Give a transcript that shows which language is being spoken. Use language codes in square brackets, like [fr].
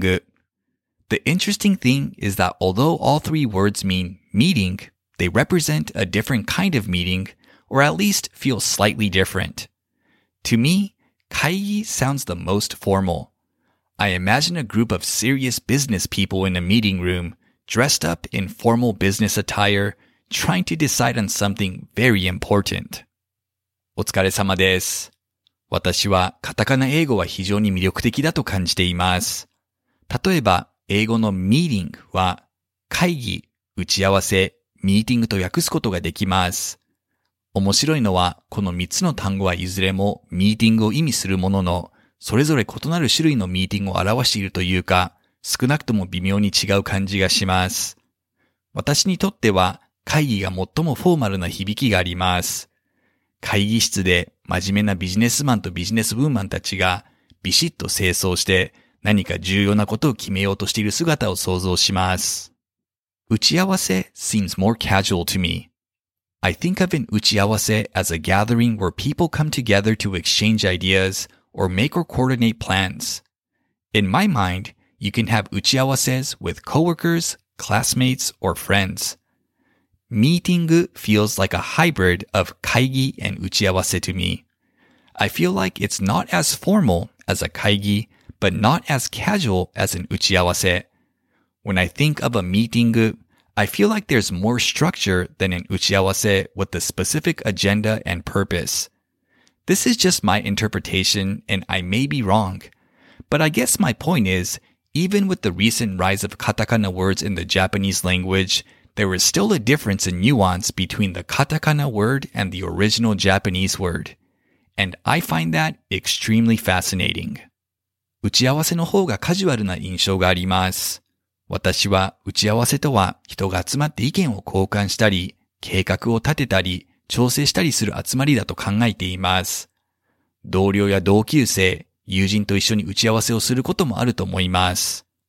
[en] The interesting thing is that although all three words mean meeting, they represent a different kind of meeting, or at least feel slightly different. To me, kaigi sounds the most formal. I imagine a group of serious business people in a meeting room, dressed up in formal business attire, trying to decide on something very important. [ja] お疲れ様です。私はカタカナ英語は非常に魅力的だと感じています。例えば、英語の meeting は会議、打ち合わせ、meeting と訳すことができます。面白いのは、この3つの単語はいずれもミーティングを意味するものの、それぞれ異なる種類のミーティングを表しているというか、少なくとも微妙に違う感じがします。私にとっては、会議が最もフォーマルな響きがあります。会議室で真面目なビジネスマンとビジネスウーマンたちが、ビシッと清掃して何か重要なことを決めようとしている姿を想像します。 [en] 打ち合わせ seems more casual to me. I think of an uchiawase as a gathering where people come together to exchange ideas or make or coordinate plans. In my mind, you can have uchiawases with coworkers, classmates, or friends. Meeting feels like a hybrid of kaigi and uchiawase to me. I feel like it's not as formal as a kaigi, but not as casual as an uchiawase. When I think of a meeting,I feel like there's more structure than an uchiawase with a specific agenda and purpose. This is just my interpretation, and I may be wrong. But I guess my point is, even with the recent rise of katakana words in the Japanese language, there is still a difference in nuance between the katakana word and the original Japanese word. And I find that extremely fascinating. [ja] 打ち合わせの方がカジュアルな印象があります。私は打ち合わせとは人が集まって意見を交換したり、計画を立てたり、調整したりする集まりだと考えています。同僚や同級生、友人と一緒に打ち合わせをすることもあると思います。